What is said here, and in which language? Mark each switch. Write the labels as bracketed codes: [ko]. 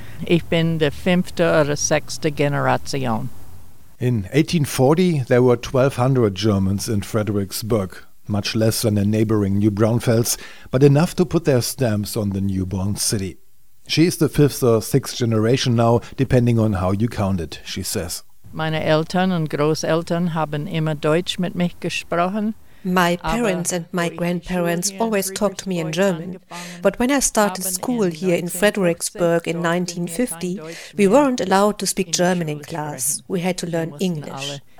[de] Ich bin die fünfte oder sechste Generation. [en] In 1840, there were 1,200 Germans in Fredericksburg, much less than in neighboring New Braunfels, but enough to put their stamps on the newborn city. She is the fifth or sixth generation now, depending on how you count it, she says. [de] Meine Eltern und Großeltern haben immer Deutsch mit mich gesprochen. [en] My parents and my grandparents always talked to me in German, but when I started school here in Fredericksburg in 1950, we weren't allowed to speak German in class. We had to learn English.